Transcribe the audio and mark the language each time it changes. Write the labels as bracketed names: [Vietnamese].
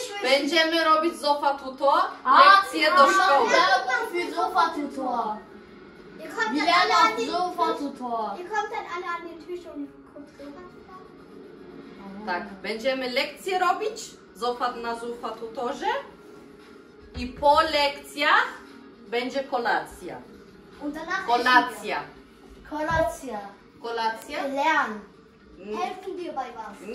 [Polish] Będziemy robić Zofa Tutor. Lekcje do szkoły. [German] Wir kommen für Zofa Tutor. Ihr kommt dann alle an den Tisch und guckt Zofa Tutor. [Polish] Tak. Będziemy lekcje robić Zofa na Zofa Tutorze. I po lekcjach będzie kolacja. Kolacja. Kolacja. Kolacja? [German] Lernen. Helfen dir bei was?